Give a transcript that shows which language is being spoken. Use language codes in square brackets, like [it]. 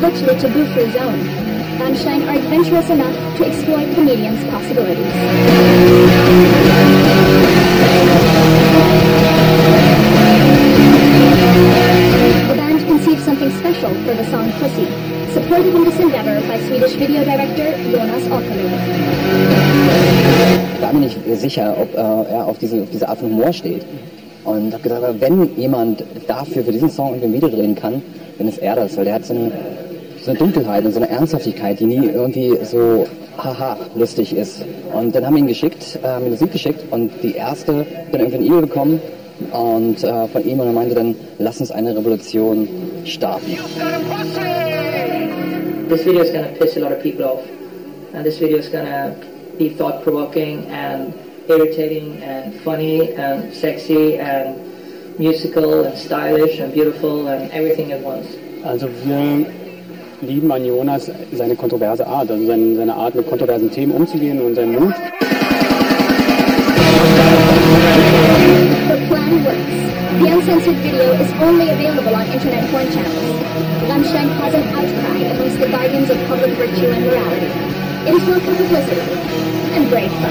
[en] virtually taboo-free zone, Rammstein are adventurous enough to exploit the medium's possibilities. The band conceived something special for the song Pussy, supported in this endeavor by Swedish video director Jonas Åkerlund. [de] Ich war mir nicht sicher, ob er auf diese Art von Humor steht. Und habe gesagt, wenn jemand dafür, für diesen Song irgendwie ein Video drehen kann, dann ist er das. Weil der hat so eine Dunkelheit und so eine Ernsthaftigkeit, die nie irgendwie so haha lustig ist. Und dann haben wir ihn geschickt, mir Musik geschickt und die erste, dann irgendwie eine E-Mail bekommen und von ihm, und er meinte dann, lass uns eine Revolution starten. [en] This video is gonna piss a lot of people off. And this video is gonna be thought-provoking and irritating and funny and sexy and musical and stylish and beautiful and everything at once. [de] Also wir lieben an Jonas seine kontroverse Art, also seine Art, mit kontroversen Themen umzugehen und seinen Mut. [en] The plan works. The uncensored video is only available on internet porn channels. Rammstein has an outcry amongst the guardians of public virtue and morality. It is welcome publicity.